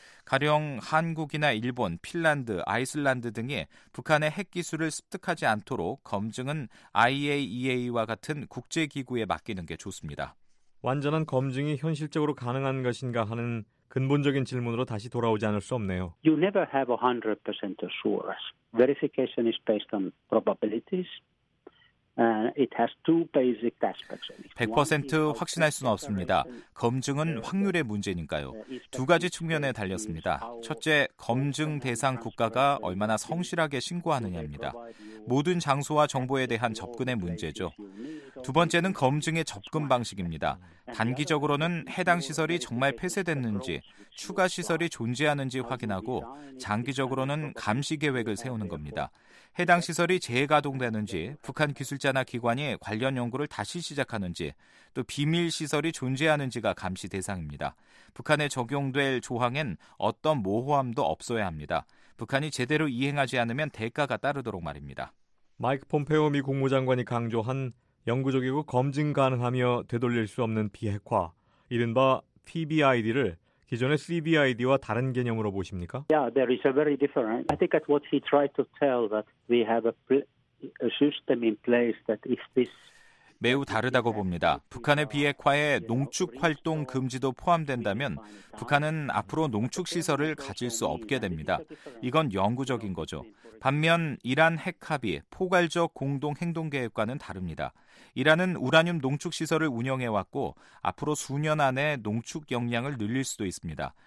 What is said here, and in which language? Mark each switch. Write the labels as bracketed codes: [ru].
[ko] 가령 한국이나 일본, 핀란드, 아이슬란드 등이 북한의 핵기술을 습득하지 않도록 검증은 IAEA와 같은 국제기구에 맡기는 게 좋습니다. 완전한 검증이 현실적으로 가능한 것인가 하는 근본적인 질문으로 다시 돌아오지 않을 수 없네요. [en] You never have 100% assurance. Verification is based on probabilities. It has two basic aspects. [ko] 100% 확신할 수는 없습니다. 검증은 확률의 문제니까요. 두 가지 측면에 달렸습니다. 첫째, 검증 대상 국가가 얼마나 성실하게 신고하느냐입니다. 모든 장소와 정보에 대한 접근의 문제죠. 두 번째는 검증의 접근 방식입니다. 단기적으로는 해당 시설이 정말 폐쇄됐는지, 추가 시설이 존재하는지 확인하고, 장기적으로는 감시 계획을 세우는 겁니다. 해당 시설이 재가동되는지, 북한 기술자나 기관이 관련 연구를 다시 시작하는지, 또 비밀 시설이 존재하는지가 감시 대상입니다. 북한에 적용될 조항엔 어떤 모호함도 없어야 합니다. 북한이 제대로 이행하지 않으면 대가가 따르도록 말입니다. 마이크 폼페오 미 국무장관이 강조한 영구적이고 검증 가능하며 되돌릴 수 없는 비핵화, 이른바 PBID를 기존의 CBID와 다른 개념으로 보십니까? [en] Yeah, there is a very different. I think that what he tried to tell that we have a system in place that if this [ko] 매우 다르다고 봅니다. 북한의 비핵화에 농축 활동 금지도 포함된다면 북한은 앞으로 농축 시설을 가질 수 없게 됩니다. 이건 영구적인 거죠. 반면 이란 핵 합의 포괄적 공동 행동 계획과는 다릅니다. 이란은 우라늄 농축 시설을 운영해 왔고 앞으로 수년 안에 농축 역량을 늘릴 수도 있습니다.